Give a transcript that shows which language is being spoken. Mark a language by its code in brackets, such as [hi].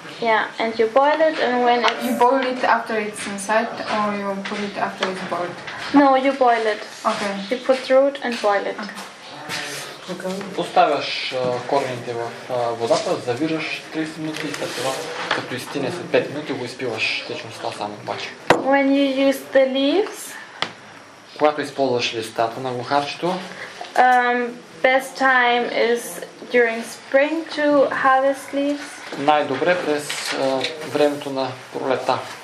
[en] Yeah, and you boil it and when it's you boil it after it's inside or you put it after it's boiled? No, you boil it. Okay. You put the root and boil it. Okay. [bg] Оставяш корените в водата, завираш 30 минути и след това като изтине след 5 минути го изпиваш течността само обаче. [en] When you use the leaves. [bg] Когато използваш листата на глухарчето. [en] Best time is during spring to harvest leaves. [bg] Най-добре през времето на пролета.